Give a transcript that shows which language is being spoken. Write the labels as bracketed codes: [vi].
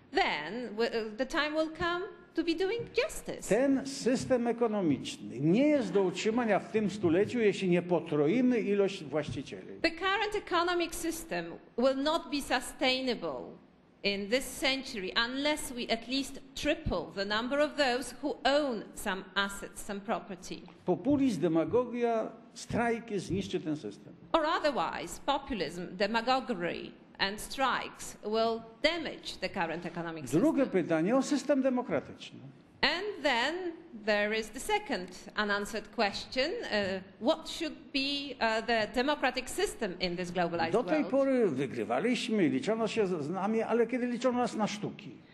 [en] Then the time will come to be doing justice. [pl] Ten system ekonomiczny nie jest do utrzymania w tym stuleciu, jeśli nie potroimy ilość właścicieli. [en] The current economic system will not be sustainable in this century unless we at least triple the number of those who own some assets, some property. [pl] Populizm, demagogia, strajki zniszczy ten system. [en] Or otherwise, populism, demagoguery and strikes will damage the current economic system. [pl] Drugie pytanie o system demokratyczny. [en] And then there is the second unanswered question. What should be the democratic system in this globalized world? [pl] Do tej pory wygrywaliśmy, liczono się z nami, ale kiedy liczono nas na sztuki?